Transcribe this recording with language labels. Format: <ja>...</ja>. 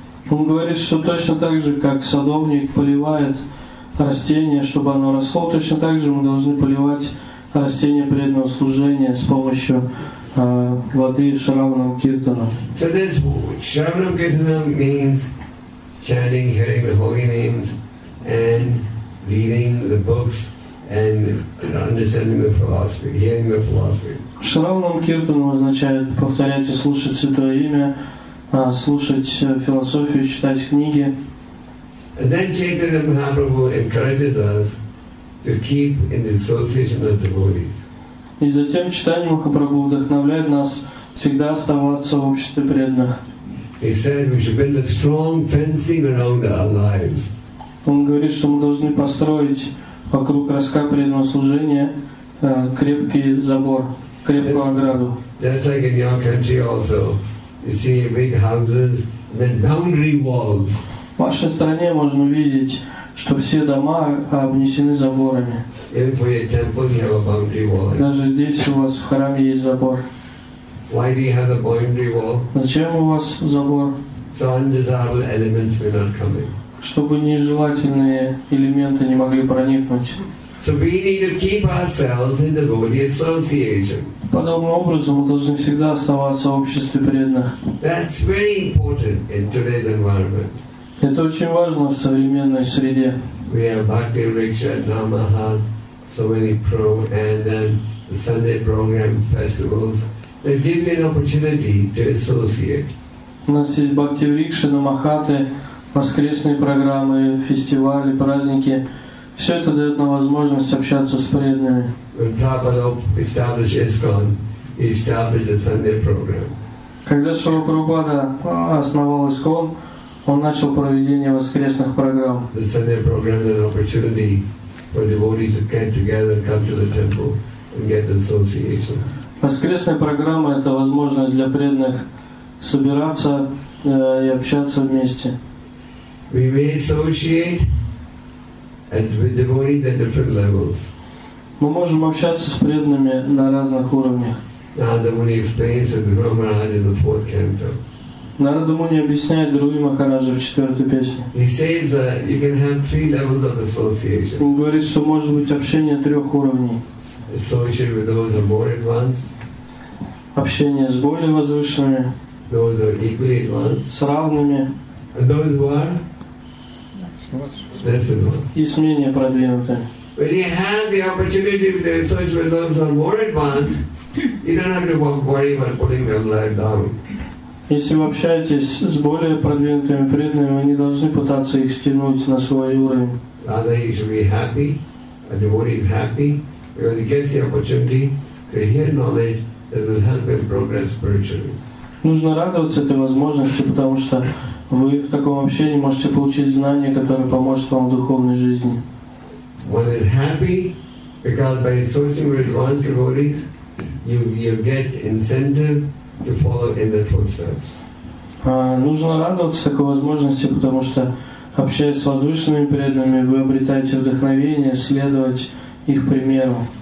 <ru>Он говорит, что точно так же, как садовник поливает растение, чтобы оно росло, точно так же мы должны поливать растение преданного служения с помощью воды Шравнам Киртана.</ru> <en>So this Шравнам Киртана means chanting, hearing the holy names, and reading the books, and understanding the philosophy, hearing the philosophy.</en> <ru>Шравнам Киртану означает повторять и слушать Святое Имя, слушать философию, читать книги.</ru> <en>And then Chaitanya Mahaprabhu encourages us to keep in the association of devotees.</en> <ru>И затем читание Махапрабху вдохновляет нас всегда оставаться в обществе преданных.</ru> <en>He said we should build a strong fencing around our lives.</en> <ru>Он говорит, что мы должны построить вокруг ростка преданного служения крепкий забор.</ru> <en>Just like in your country also, you see big houses, then boundary walls.</en> <ru>В вашей стране можно видеть, что все дома обнесены заборами.</ru> <en>Even for your temple, you have a boundary wall.</en> <ru>Даже здесь у вас в храме есть забор.</ru> <en>Why do you have a boundary wall?</en> <ru>Зачем у вас забор?</ru> <en>So undesirable elements may not come in.</en> <ru>Чтобы нежелательные элементы не могли проникнуть.</ru> <en>So we need to keep ourselves in the devotee association.</en> <ru>Подобным образом мы должны всегда оставаться в обществе преданных.</ru> <en>That's very important in today's environment.</en> <ru>Это очень важно в современной среде.</ru> <en>We have Bhakti Riksha, Namaha, so many pro and then the Sunday program festivals that give me an opportunity to associate.</en> <ru>У нас есть Бхакти Рикша, Намахаты, воскресные программы, фестивали, праздники. Все это дает нам возможность общаться с преданными.</ru> <en>When Prabhupada established ISKCON, he established a Sunday program.</en> <ru>Когда Шрила Прабхупада основал ISKCON, он начал проведение воскресных программ.</ru> <en>The Sunday program is an opportunity for devotees to get together, come to the temple, and get the association.</en> <ru>Воскресная программа – это возможность для преданных собираться и общаться вместе.</ru> <en>We may associate. And with devotees at different levels.</en> <ru>Мы можем общаться с преданными на разных уровнях.</ru> <en>Narada Muni explains in the Guru Maharaj in the fourth canto.</en> <ru>Narada Muni объясняет Друи Махараджа в четвертой песне.</ru> <en>He says that you can have three levels of association.</en> <ru>Он говорит, что может быть общение трех уровней.</ru> <en>Associate with those who are more advanced.</en> <ru>Общение с более возвышенными.</ru> <en>Those who are equally advanced.</en> <ru>С равными.</ru> <en>And those who are?</en> <ru>И с менее продвинутыми.</ru> <en>When you have the opportunity to associate with those who are more advanced, you don't have to worry about putting them down.</en> <ru>Если вы общаетесь с более продвинутыми преданными, вы не должны пытаться их стянуть на свой уровень.</ru> <en>Rather, you should be happy, a devotee is happy, because he gets the opportunity to hear knowledge that will help him progress spiritually.</en> <ru>Нужно радоваться этой возможности, потому что вы в таком общении можете получить знание, которое поможет вам в духовной жизни.</ru> <en>One is happy because by searching for advanced devotees, you get incentive to follow in their footsteps.</en> <ru>Нужно радоваться такой возможности, потому что общаясь с возвышенными преданными, вы обретаете вдохновение следовать их примеру.</ru>